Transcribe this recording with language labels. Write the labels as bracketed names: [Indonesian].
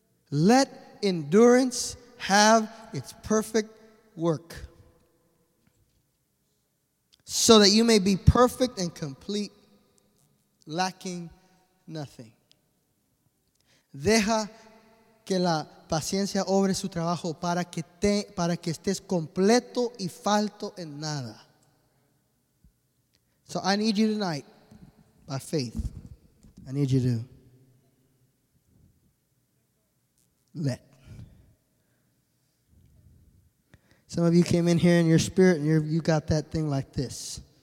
[English] Let endurance have its perfect work, so that you may be perfect and complete, lacking nothing. [Spanish] Deja que la paciencia obre su trabajo para que estés completo y falto en nada. [English] So I need you tonight, by faith, I need you to let. Some of you came in here in your spirit and you got that thing like this.